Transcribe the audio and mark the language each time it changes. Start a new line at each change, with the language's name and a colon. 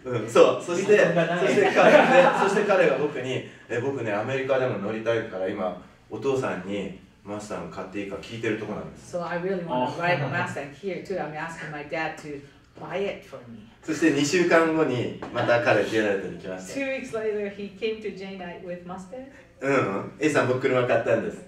Japanese: そう、そして、そして彼が僕に、え、僕ねアメリカでも乗りたいから今。お父さんにマスターを買っていいか聞いてるところなんです。
English: So I really want to buy a Mustang here too. I'm asking my dad to buy it for me.
Japanese: そして2週間後にまた彼 J ナイトに来ました。
English: Two weeks later he came to J Night with Mustang.
Japanese: うん、A さん僕車買ったんです。